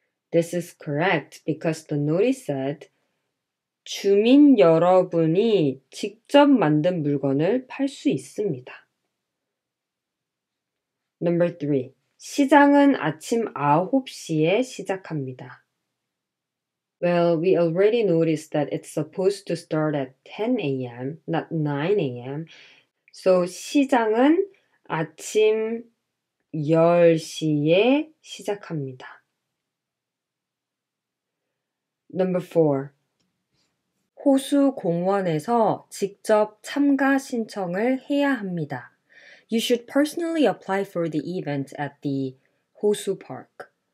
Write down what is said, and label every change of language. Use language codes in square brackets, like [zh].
[en] This is correct because the notice said [ko] 주민 여러분이 직접 만든 물건을 팔 수 있습니다. [en] Number 3. [ko] 시장은 아침 9시에 시작합니다. [en] Well, we already noticed that it's supposed to start at 10 a.m., not 9 a.m. [ko] So, 시장은 아침 10시에 시작합니다. [en] Number 4. [ko] 호수 공원에서 직접 참가 신청을 해야 합니다. [en] You should personally apply for the event at the 호수 park.